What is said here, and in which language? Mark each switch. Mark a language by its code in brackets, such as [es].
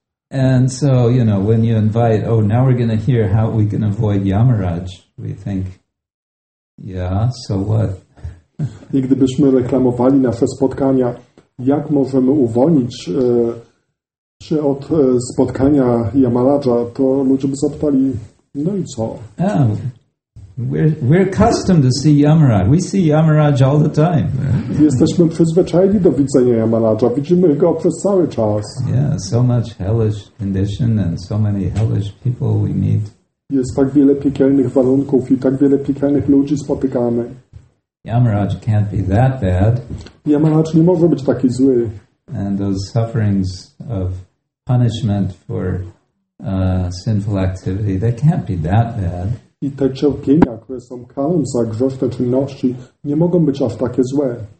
[en] And so, you know, when you invite, oh, now we're going to hear how we can avoid Yamaraj, we think, yeah, so what? [pl] I gdybyśmy reklamowali nasze spotkania, jak możemy uwolnić się od spotkania Yamaraja, to ludzie by zapytali, no i co? [en] Yeah, we're accustomed to see Yamaraj. We see Yamaraj all the time. [pl] Jesteśmy przyzwyczajeni do widzenia Yamaraja. Widzimy go przez cały czas. [en] Yeah, so much hellish condition and so many hellish people we meet. [pl] Jest tak wiele piekielnych warunków i tak wiele piekielnych ludzi spotykamy. [en] Yamaraj can't be that bad. [pl] Yamaraj nie może być taki zły. [en] And those sufferings of punishment for sinful activity, they can't be that bad. [pl] I te cierpienia, które są karą za grzeszne czynności, nie mogą być aż takie złe.